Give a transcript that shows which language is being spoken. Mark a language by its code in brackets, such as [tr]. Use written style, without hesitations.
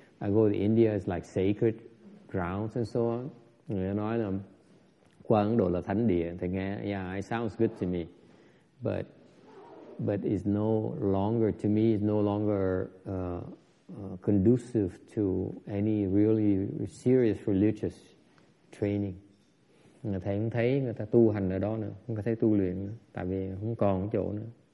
[en] I go to India, it's like sacred grounds and so on. [vi] Người ta nói là qua Ấn Độ là thánh địa. Thì nghe, [en] yeah, it sounds good to me. But it's no longer, to me, it's no longer conducive to any really serious religious training. [vi] Người ta không thấy người ta tu hành ở đó nữa, không có thấy tu luyện nữa, tại vì không còn chỗ nữa.